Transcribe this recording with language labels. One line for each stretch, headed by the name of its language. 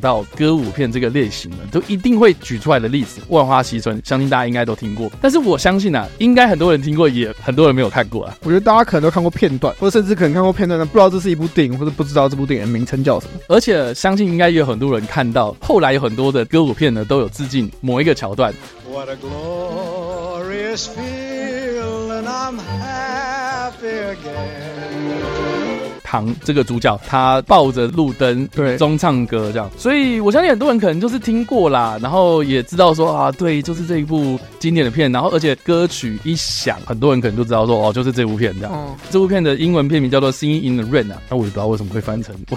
Chinese: 讲到歌舞片这个类型呢，都一定会举出来的例子，万花西村，相信大家应该都听过。但是我相信啊，应该很多人听过，也很多人没有看过啊。我觉得大家可能都看过片段，或者甚至可能看过片段，但不知道这是一部电影，或者不知道这部电影的名称叫什么。而且相信应该也有很多人看到，后来有很多的歌舞片呢，都有致敬某一个桥段。
English: What a glorious feeling, I'm happy again.
Chinese: 唐这个主角他抱着路灯对中唱歌这样，所以我相信很多人可能就是听过啦，然后也知道说啊，对，就是这一部经典的片，然后而且歌曲一响，很多人可能就知道说哦，就是这部片这样。这部片的英文片名叫做 Singing in the Rain 啊，那我也不知道为什么会翻成